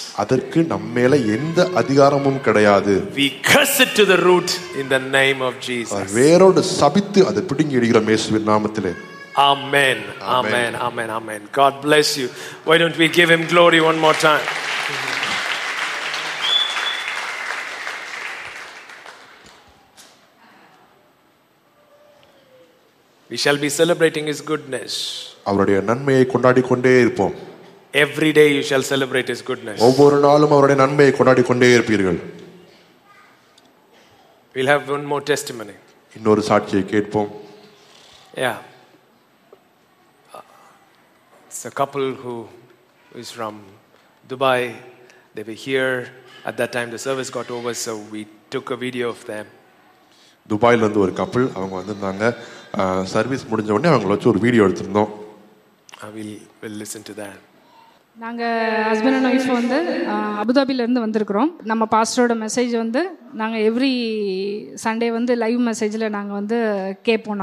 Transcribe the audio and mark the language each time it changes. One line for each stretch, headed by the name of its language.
Tamil: அதற்கு நம்ம மேல எந்த அதிகாரமும் கிடையாது.
English: We curse it to the root in the name of Jesus.
Tamil: வேரோடு சபித்து அதை பிடுங்கி எடுக்கிறோம் இயேசுவின் நாமத்தில்.
English: Amen. Amen. Amen. Amen. God bless you. Why don't we give him glory one more time? We shall be celebrating his goodness.
Tamil: அவருடைய நன்மையை கொண்டாடி கொண்டே இருப்போம்.
English: Every day you shall celebrate his goodness.
Tamil: ஒவ்வொரு நாளும் அவருடைய நன்மையை கொண்டாடி கொண்டே இருப்பீர்கள்.
English: We'll have one more testimony.
Tamil: இன்னொரு சாட்சியை கேட்போம்.
English: Yeah. It's a couple who is from Dubai. They were here at that time the service got over so we took a video of them.
Tamil: துபாயில இருந்து ஒரு couple அவங்க வந்திருந்தாங்க. Service முடிஞ்ச உடனே அவங்கள வச்சு ஒரு வீடியோ எடுத்திருந்தோம்.
English: We'll listen to that.
Tamil: நாங்கள்
English: husband and wife
Tamil: வந்து அபுதாபியிலேருந்து வந்திருக்கிறோம். நம்ம பாஸ்டரோட மெசேஜ் வந்து நாங்கள்
English: every Sunday
Tamil: வந்து லைவ் மெசேஜில் நாங்கள் வந்து கேட்போம்.